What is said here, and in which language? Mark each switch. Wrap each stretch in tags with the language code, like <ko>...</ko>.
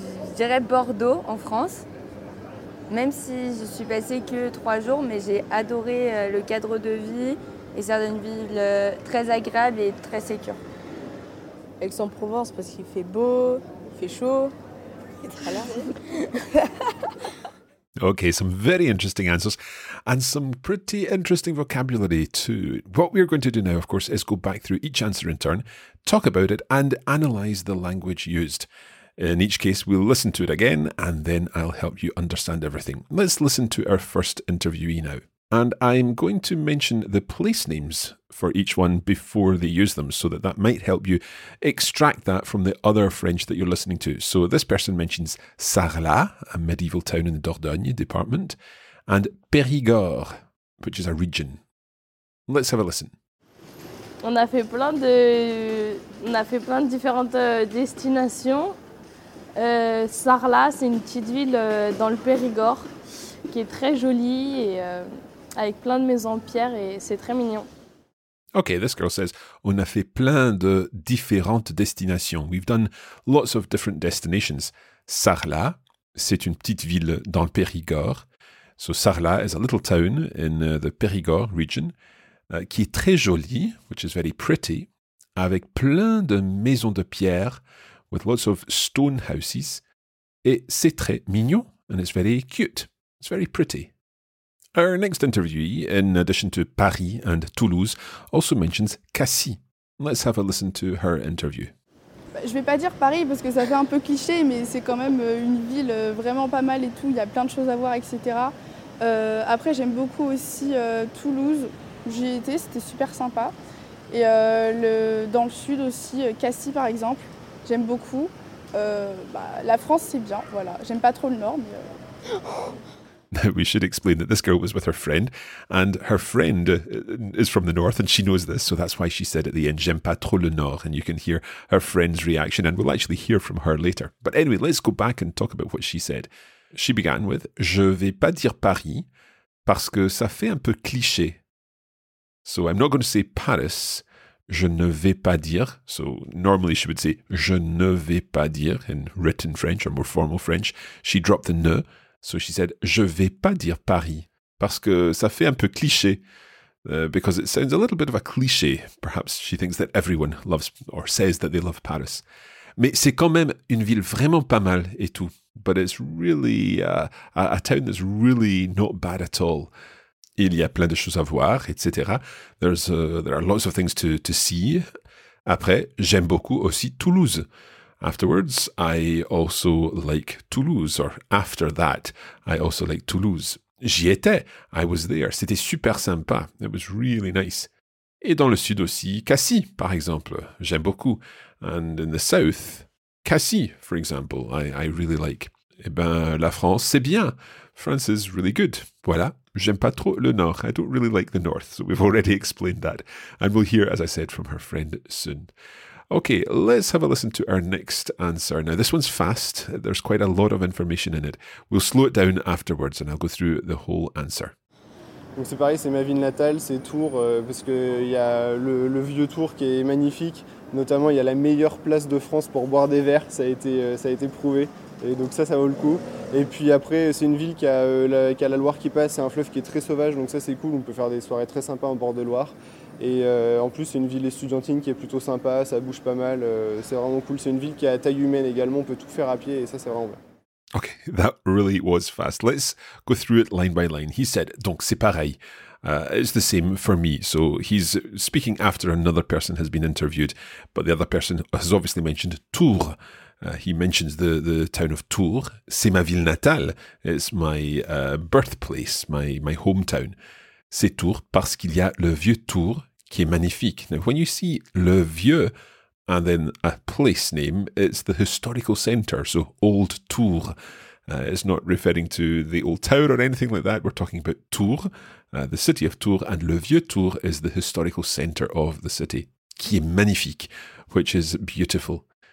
<fr>Je dirais Bordeaux en France. même si je suis passée que 3 jours, mais j'ai adoré le cadre de vie et ça donne une ville très agréable et très sécure. Aix-en-Provence parce qu'il fait beau, il fait chaud.</fr> <en>Okay, some very interesting answers and some pretty interesting vocabulary too. What we are going to do now, of course, is go back through each answer in turn, talk about it and analyze the language used. In each case, we'll listen to it again and then I'll help you understand everything. Let's listen to our first interviewee now. And I'm going to mention the place names for each one before they use them, so that that might help you extract that from the other French that you're listening to. So this person mentions Sarlat, a medieval town in the Dordogne department, and Périgord, which is a region. Let's have a listen.</en> <fr>On a fait plein de différentes destinations. Sarlat, c'est une petite ville dans le Périgord qui est très jolie et avec plein de maisons en pierre et c'est très mignon.</fr> <en>Okay, this girl says,</en> <fr>on a fait plein de différentes destinations.</fr> <en>We've done lots of different destinations.</en> <fr>Sarlat, c'est une petite ville dans le Périgord.</fr> <en>So Sarlat is a little town in the Périgord region</en> <fr>qui est très jolie,</fr> <en>which is very pretty,</en> <fr>avec plein de maisons de pierre,</fr> <en>with lots of stone houses.</en> <fr>Et c'est très mignon,</fr> <en>and it's very cute. It's very pretty. Our next interviewee, in addition to Paris and Toulouse, also mentions Cassis. Let's have a listen to her interview.</en> <fr>Je vais pas dire Paris parce que ça fait un peu cliché, mais c'est quand même une ville vraiment pas mal et tout. Il y a plein de choses à voir, etc. Après, j'aime beaucoup aussi Toulouse. J'y ai été, c'était super sympa. Et dans le sud aussi, Cassis par exemple, j'aime beaucoup. La France, c'est bien, voilà. J'aime pas trop le nord, mais...</fr> <en>Now, we should explain that this girl was with her friend, and her friend is from the north, and she knows this, so that's why she said at the end,</en> <fr>j'aime pas trop le nord,</fr> <en>and you can hear her friend's reaction, and we'll actually hear from her later. But anyway, let's go back and talk about what she said. She began with,</en> <fr>je vais pas dire Paris, parce que ça fait un peu cliché.</fr> <en>So I'm not going to say Paris,</en> <fr>je ne vais pas dire.</fr> <en>So normally she would say,</en> <fr>je ne vais pas dire,</fr> <en>in written French or more formal French. She dropped the ne. So she said,</en> <fr>je vais pas dire Paris, parce que ça fait un peu cliché,</fr> <en>because it sounds a little bit of a cliché. Perhaps she thinks that everyone loves or says that they love Paris.</en> <fr>Mais c'est quand même une ville vraiment pas mal et tout.</fr> <en>But it's really a town that's really not bad at all.</en> <fr>Il y a plein de choses à voir, etc.</fr> <en>There are lots of things to see.</en> <fr>Après, j'aime beaucoup aussi Toulouse.</fr> <en>Afterwards, I also like Toulouse, or after that, I also like Toulouse.</en> <fr>J'y étais,</fr> <en>I was there,</en> <fr>c'était super sympa,</fr> <en>it was really nice.</en> <fr>Et dans le sud aussi, Cassis, par exemple, j'aime beaucoup.</fr> <en>And in the south, Cassis, for example, I really like.</en> <fr>Eh ben, la France, c'est bien,</fr> <en>France is really good,</en> <fr>voilà. J'aime pas trop le nord.</fr> <en>I don't really like the north. So we've already explained that. And we'll hear, as I said, from her friend soon. Okay, let's have a listen to our next answer. Now, this one's fast. There's quite a lot of information in it. We'll slow it down afterwards and I'll go through the whole answer.</en> <fr>Donc c'est pareil, c'est ma ville natale, c'est Tours, parce qu'il y a le vieux Tours qui est magnifique. Notamment, il y a la meilleure place de France pour boire des verres. Ça a été prouvé. Et donc ça vaut le coup. Et puis après, c'est une ville qui a la Loire qui passe. C'est un fleuve qui est très sauvage, donc ça, c'est cool. On peut faire des soirées très sympas en bord de Loire. Et en plus, c'est une ville estudiantine qui est plutôt sympa, ça bouge pas mal, c'est vraiment cool. C'est une ville qui est à taille humaine également, on peut tout faire à pied et ça, c'est vraiment bien.</fr> <en>Ok, that really was fast. Let's go through it line by line. He said,</en> <fr>donc c'est pareil,</fr> <en>it's the same for me. So he's speaking after another person has been interviewed, but the other person has obviously mentioned Tours. He mentions the town of Tours.</en> <fr>C'est ma ville natale,</fr> <en>it's my birthplace, my hometown.</en> <fr>C'est Tours parce qu'il y a le vieux Tours qui est magnifique.</fr> <en>Now, when you see le vieux and then a place name, it's the historical center, so Old Tours. It's not referring to the old tower or anything like that. We're talking about Tours, the city of Tours, and</en> <fr>le vieux Tours</fr> <en>is the historical center of the city,</en> <fr>qui est magnifique,</fr> <en>which is beautiful.</en>